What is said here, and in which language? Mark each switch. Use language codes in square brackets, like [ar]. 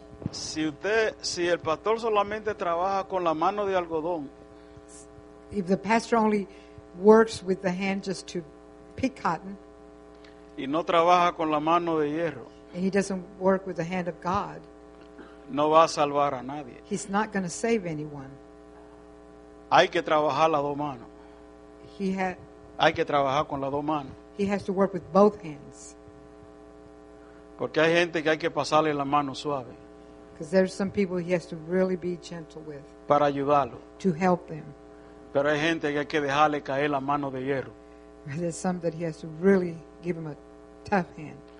[es] Si usted, si el pastor solamente trabaja con la mano de algodón, [en] if the pastor only works with the hand just to pick cotton, [es] y no trabaja con la mano de hierro, [en] and he doesn't work with the hand of God, [es] no va a salvar a nadie. [en] He's not going to save anyone. [es] Hay que trabajar las dos manos. Hay que trabajar con las dos manos. [en] He has to work with both hands. [es] Porque hay gente que hay que pasarle la mano suave. [en] Because there's some people he has to really be gentle with. [es] Para ayudarlo. [en] To help them. [es] Pero hay gente que hay que dejarle caer la mano de hierro. [en] There's some that he has to really give him a tough hand.